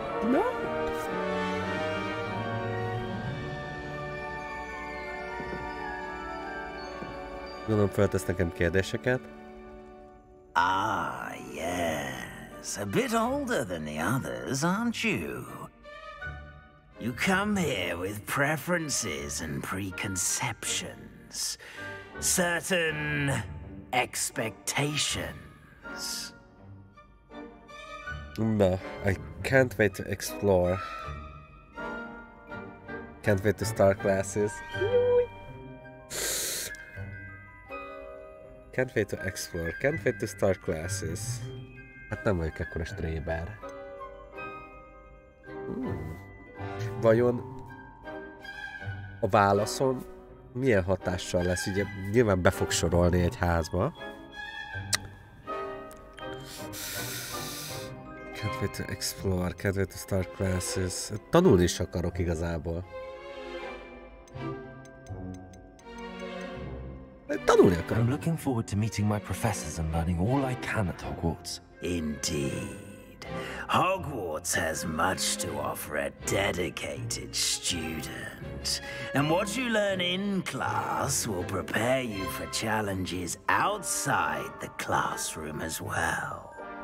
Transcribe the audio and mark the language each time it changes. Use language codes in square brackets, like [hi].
[en] No? [hu] Gondolom, feltesz nekem kérdéseket. [en] Ah, yes. A bit older than the others, aren't you? You come here with preferences and preconceptions. Certain expectations. No, I can't wait to explore. Can't wait to start classes. Can't wait to explore, can't wait to start classes. [hu] Hát nem vagyok ekkora stréber. Vajon a válaszom milyen hatással lesz? Ugye nyilván be fog sorolni egy házba. [en] Can't wait to explore, can't wait to start classes. [hu] Tanulni is akarok igazából. [en] I'm looking forward to meeting my professors and learning all I can at Hogwarts. Indeed. Hogwarts has much to offer a dedicated student. And what you learn in class will prepare you for challenges outside the classroom as well.